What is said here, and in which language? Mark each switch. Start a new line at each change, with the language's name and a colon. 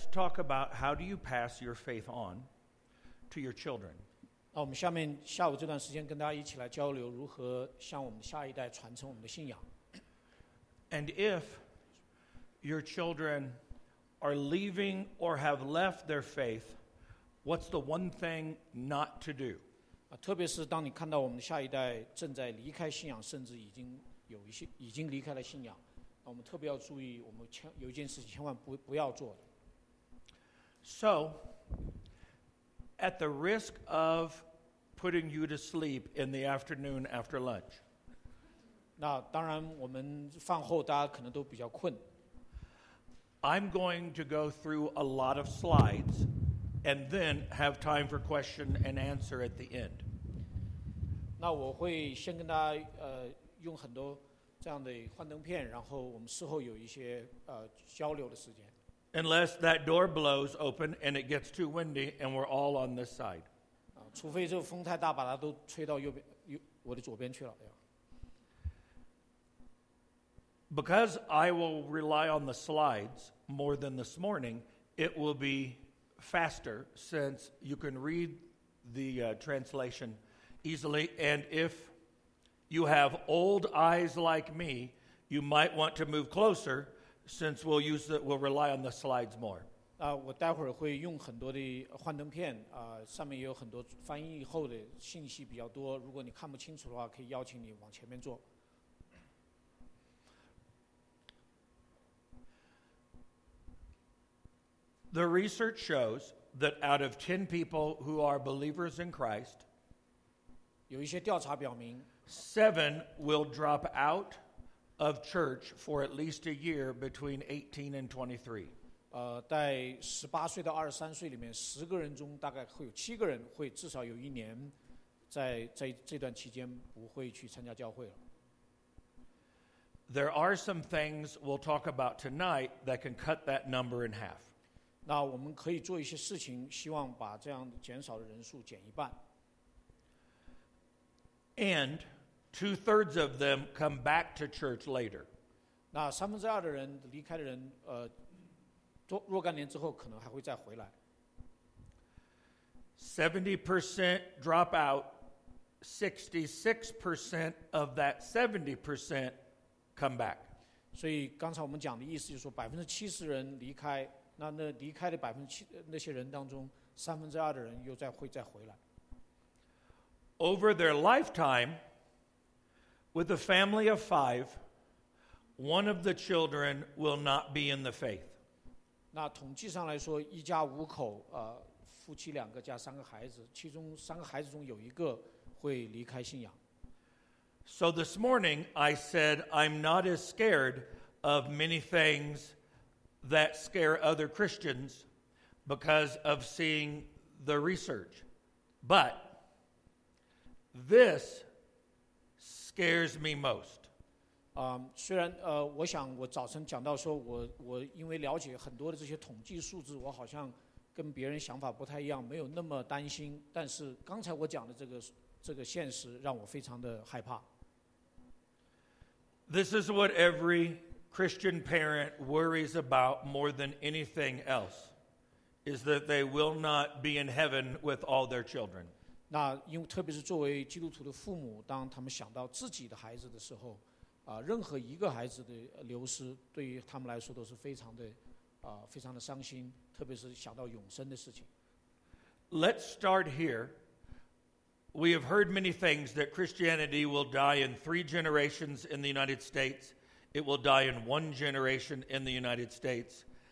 English: talk about how do you pass your faith on to your children.
Chinese: 我们下面下午这段时间跟大家一起来交流如何向我们的下一代传承我们的信仰。
English: And if your children are leaving or have left their faith, what's the one thing not to do?
Chinese: 特别是当你看到我们的下一代正在离开信仰，甚至已经有一些已经离开了信仰，我们特别要注意，我们有一件事情千万不要做的。
English: So, at the risk of putting you to sleep in the afternoon after lunch.
Chinese: 那当然，我们饭后大家可能都比较困。
English: I'm going to go through a lot of slides, and then have time for question and answer at the end.
Chinese: 那我会先跟大家用很多这样的幻灯片，然后我们事后有一些交流的时间。
English: Unless that door blows open and it gets too windy and we're all on this side.
Chinese: 除非这个风太大把它都吹到右边，我的左边去了。
English: Because I will rely on the slides more than this morning, it will be faster since you can read the translation easily. And if you have old eyes like me, you might want to move closer. Since we'll rely on the slides more.
Chinese: 我待会儿会用很多的幻灯片，上面也有很多翻译后的信息比较多。如果你看不清楚的话，可以邀请你往前面坐。
English: The research shows that out of 10 people who are believers in Christ,
Chinese: 有一些调查表明
English: 7 will drop out. Of church for at least a year between 18 and 23.
Chinese: 在18岁到23岁里面，十个人中大概会有七个人会至少有一年在这段期间不会去参加教会了。
English: There are some things we'll talk about tonight that can cut that number in half.
Chinese: 那我们可以做一些事情，希望把这样减少的人数减一半。
English: And. 2/3 of them come back to church later.
Chinese: 那三分之二的人离开的人，若干年之后可能还会再回来。
English: 70% drop out, 66% of that 70% come back.
Chinese: 所以刚才我们讲的意思就是说，70%人离开，那离开的那些人当中，三分之二的人又会再回来。
English: Over their lifetime. With a family of 5, one of the children will not be in the faith.
Chinese: 那统计上来说，一家五口，夫妻两个加三个孩子，其中三个孩子中有一个会离开信仰。
English: So this morning, I said I'm not as scared of many things that scare other Christians because of seeing the research. But this... scares me most.
Chinese: 虽然我想我早晨讲到说我因为了解很多的这些统计数字，我好像跟别人想法不太一样，没有那么担心，但是刚才我讲的这个现实让我非常的害怕。
English: This is what every Christian parent worries about more than anything else, is that they will not be in heaven with all their children.
Chinese: 那因为特别是作为基督徒的父母，当他们想到自己的孩子的时候，任何一个孩子的流失，对于他们来说都是非常的，非常的伤心，特别是想到永生的事情。
English: Let's start here. We have heard many things that Christianity will die in 3 generations in the United States. It will die in 1 generation in the United States.